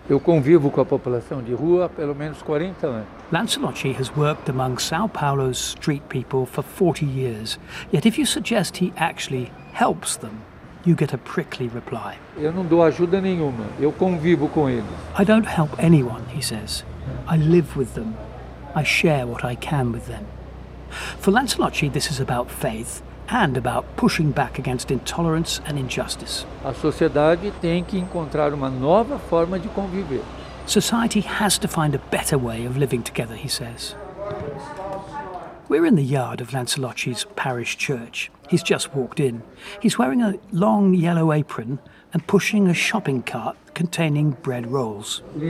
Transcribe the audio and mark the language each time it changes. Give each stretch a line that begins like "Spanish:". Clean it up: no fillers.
Portuguese: Eu convivo com a população de rua pelo menos 40 anos.
English: Lancelotti has worked among São Paulo's street people for 40 years. Yet if you suggest he actually helps them, you get a prickly reply.
Portuguese: Eu não dou ajuda nenhuma. Eu convivo com eles.
English: I don't help anyone, he says. I live with them. I share what I can with them. For Lancelotti, this is about faith and about pushing back against intolerance and injustice.
Portuguese: A sociedade tem que encontrar uma nova forma de conviver.
English: Society has to find a better way of living together, he says. We're in the yard of Lancelotti's parish church. He's just walked in. He's wearing a long yellow apron and pushing a shopping cart containing bread rolls.